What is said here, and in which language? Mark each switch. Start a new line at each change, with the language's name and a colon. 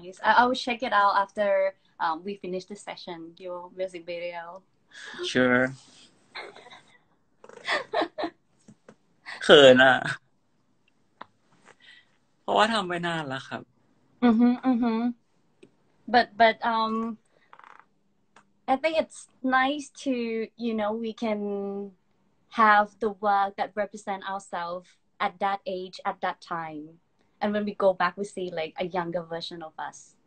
English: I will check it out after we finish the session, your music video. Sure.
Thai: เขินอ่ะเพราะว่าทำไปนานแล้วครับ
English: But I think it's nice to, you know, we can have the work that represent ourselves at that age, at that time. And when we go back, we see like a younger version of us.